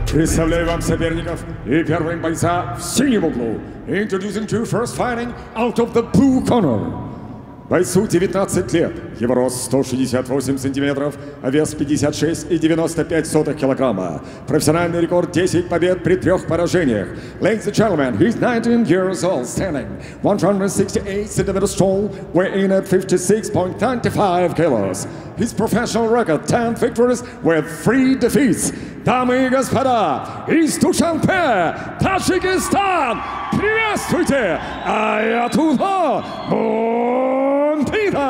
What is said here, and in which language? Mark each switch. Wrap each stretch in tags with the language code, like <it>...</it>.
<ru>Представляю вам соперников и первым бойца в синем углу.</ru> <en>Introducing to first fighting out of the blue corner.</en> <ru>Бойцу 19 лет, его рост 168 сантиметров, вес 56,95 килограмма. Профессиональный рекорд 10 побед при 3 поражениях.</ru> <en>Ladies and gentlemen, he's 19 years old, standing 168 centimeters tall, weighing at 56.95 kilos. His professional record 10 victories with 3 defeats.</en> <ru>Дамы и господа, из Душанбе, Таджикистан, приветствуйте, Аятулла Мунтидов!</ru>